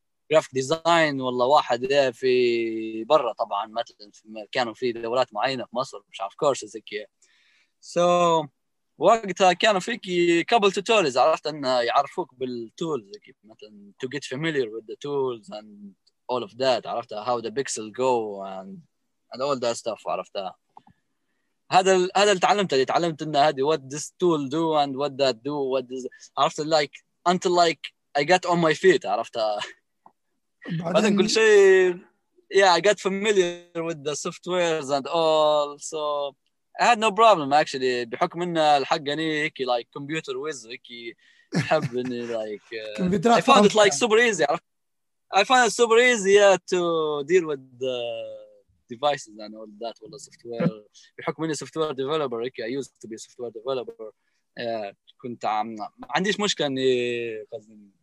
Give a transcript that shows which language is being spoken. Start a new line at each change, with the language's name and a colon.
Arabic: جرافيك ديزاين والله واحد في برا طبعا مثلا كانوا في دورات معينة في مصر مش عارف كورس زي كي so وقتها كانوا فيك كابل توتوريز عرفت أن يعرفوك بالتولز زي كي مثلا
English: to get familiar with the tools and all of that
Arabic: عرفتها
English: how the pixel go and all that stuff
Arabic: عرفتها هذا اللي تعلمته اللي تعلمت إنه هذه
English: what this tool do and what that do what this
Arabic: عرفت
English: like until like I got on my feet
Arabic: عرفت بعدين كل شيء
English: yeah, I got familiar with the softwares and all, so I had no problem actually.
Arabic: بحكم إن الحق أنا هيك like computer whiz هيك حب إني
English: like I found it like super easy. I found it super easy to deal with the devices and all that with the software.
Arabic: بحكم إني
English: software developer هيك, I used to be a software developer.
Arabic: كنت عم عنديش مشكلة إني قصدي